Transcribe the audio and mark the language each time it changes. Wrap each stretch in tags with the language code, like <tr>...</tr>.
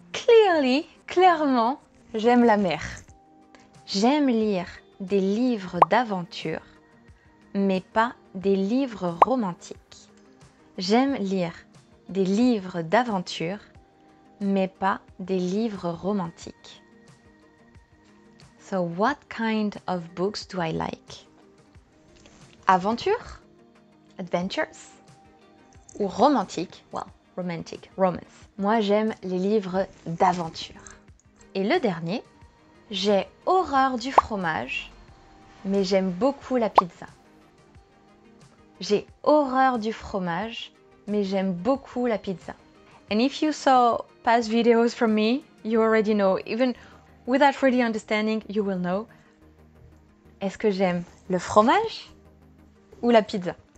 <fr>Clearly, clairement, j'aime la mer. J'aime lire des livres d'aventure. Mais pas des livres romantiques. J'aime lire des livres d'aventure, mais pas des livres romantiques.</fr> <en>So what kind of books do I like?</en> <fr>Aventure? Adventures? Ou romantique?</fr> <en>Well, romantic, romance.</en> <fr>Moi, j'aime les livres d'aventure. Et le dernier, j'ai horreur du fromage, mais j'aime beaucoup la pizza. J'ai horreur du fromage, mais j'aime beaucoup la pizza.</fr> <en>And if you saw past videos from me, you already know, even without really understanding, you will know.</en> <fr>Est-ce que j'aime le fromage ou la pizza?</fr>